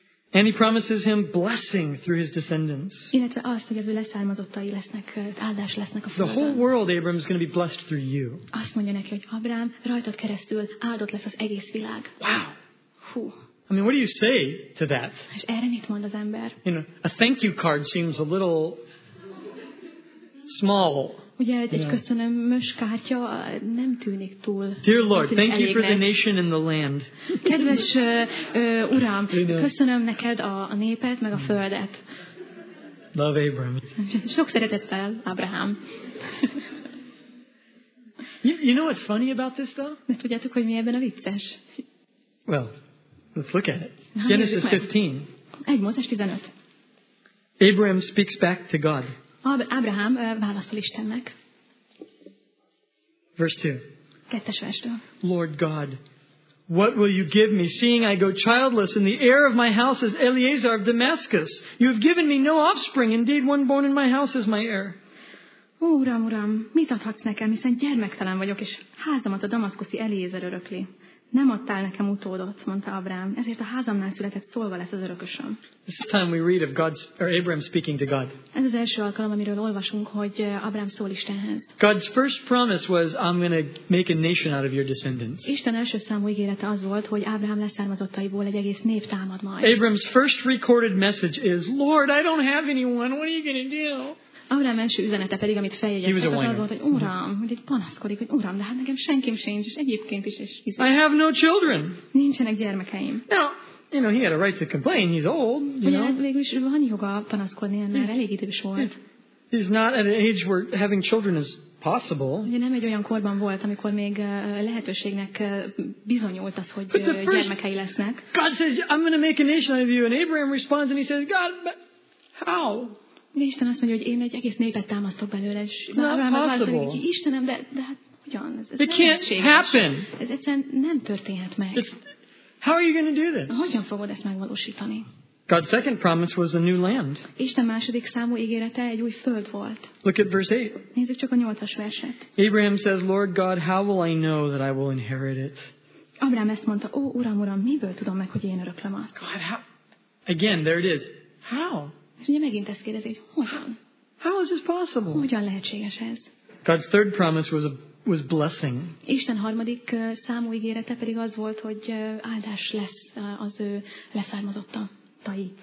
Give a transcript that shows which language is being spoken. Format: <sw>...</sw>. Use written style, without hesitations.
<en>And he promises him blessing through his descendants.</en> <hu>Illetve azt, hogy az ő leszármazottai lesznek, áldás lesznek a földön.</hu> <en>The whole world, Abram, is going to be blessed through you.</en> <hu>Azt mondja neki, hogy Abrám, rajtad keresztül áldott lesz az egész világ.</hu> <en>Wow.</en> <hu>Hú.</hu> <en>I mean, what do you say to that?</en> <hu>És erre mit mond az ember?</hu> <en>You know, a thank you card seems a little small.</en> <hu>Ugye egy köszönömös kártya nem tűnik túl.</hu> <en>Dear Lord, thank you for the nation and the land.</en> <hu>Kedves Uram, köszönöm neked a népet, meg a földet.</hu> <en>Love, Abraham.</en> <hu>Sok szeretettel, Abraham.</hu> <en>You know what's funny about this, though?</en> <hu>De tudjátok, hogy mi ebben a vicces?</hu> <en>Well, let's look at it. Genesis 15.</en> <hu>Egy Mózes 15.</hu> <en>Abraham speaks back to God.</en> <hu>Abraham válaszol Istennek.</hu> <en>Verse 2.</en> <hu>Kettes verstől.</hu> <en>Lord God, what will you give me, seeing I go childless, and the heir of my house is Eleazar of Damascus? You have given me no offspring, indeed one born in my house is my heir.</en> <hu>Ó, Uram, Uram, mit adhatsz nekem, hiszen gyermektelen vagyok, és házamat a damaszkuszi Eliézer örökli. Nem adtál nekem utódot, mondta Abraham, ezért a házamnál született szolga lesz az örökösöm.</hu> <en>This is the time we read of God's, or Abraham speaking to God.</en> <hu>Ez az első alkalom, amiről olvasunk, hogy Abraham szól Istenhez.</hu> <en>God's first promise was, I'm going to make a nation out of your descendants.</en> <hu>Isten első számú ígérete az volt, hogy Abraham leszármazottaiból egy egész nép támad majd.</hu> <en>Abraham's first recorded message is, Lord, I don't have anyone, what are you going to do?</en> <hu>Abraham első üzenete pedig, amit feljegyeztek, az volt, hogy Uram, hogy itt panaszkodik, hogy Uram, de hát nekem senkim sincs, és egyébként is. És</hu> <en>I have no children.</en> <hu>Nincsenek gyermekeim.</hu> <en>Now, you know, he had a right to complain, he's old, you know.</en> <hu>Végülis van joga panaszkodni, mert elég idős volt.</hu> <en>He's not at an age where having children is possible.</en> <hu>Ugye nem egy olyan korban volt, amikor még lehetőségnek bizonyult az, hogy gyermekei lesznek.</hu> <en>God says, I'm going to make a nation out of you, and Abraham responds, and he says, God, but how?</en> <hu>Isten azt mondja, hogy én egy egész népet támasztok belőle, és Abraham megválaszol, hogy Istenem, de hát hogyan?</hu> <en>It can't happen.</en> <hu>Ez egyszerűen nem történhet meg.</hu> <en>How are you going to do this?</en> <hu>Hogyan fogod ezt megvalósítani?</hu> <en>God's second promise was a new land.</en> <hu>Isten második számú ígérete egy új föld volt.</hu> <en>Look at verse 8.</en> <hu>Nézzük csak a 8-as verset.</hu> <en>Abraham says, Lord God, how will I know that I will inherit it?</en> <hu>Abraham ezt mondta, ó, Uram, Uram, miből tudom meg, hogy én öröklöm azt?</hu> <en>God, how? Again, there it is. How?</en> <hu>És ugye megint ezt kérdezi, hogy hogyan?</hu> <en>How is this possible?</en> <hu>Hogyan lehetséges ez?</hu> <en>God's third promise was blessing.</en> <hu>Isten harmadik számú ígérete pedig az volt, hogy áldás lesz az ő leszármazottai.</hu>